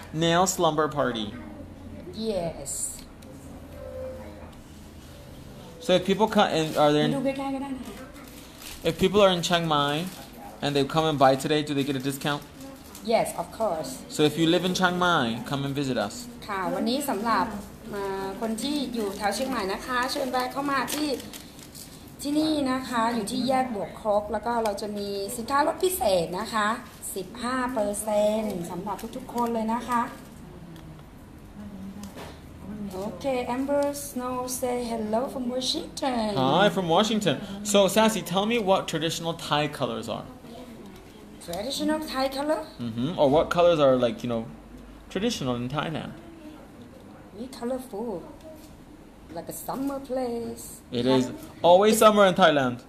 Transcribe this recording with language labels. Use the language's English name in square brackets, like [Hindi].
[English] Nail slumber party. Yes. So if people come and are there, if people are in Chiang Mai and they come and buy today, do they get a discount? Yes, of course. So if you live in Chiang Mai, come and visit us. [Thai] ค่ะวันนี้สำหรับคนที่อยู่แถวเชียงใหม่นะคะเชิญแวะเข้ามาที่นี่นะคะอยู่ที่แยกบวกครกแล้วก็เราจะมีสินค้าลดพิเศษนะคะ 15% สำหรับทุกๆคนเลยนะคะ [English] Okay, Amber Snow say hello from Washington. Hi, from Washington. So, Sassy, tell me what traditional Thai colors are. Traditional Thai color? Mm-hmm. Or what colors are, like, you know, traditional in Thailand? We colorful. Like a summer place. It is. Always summer in Thailand.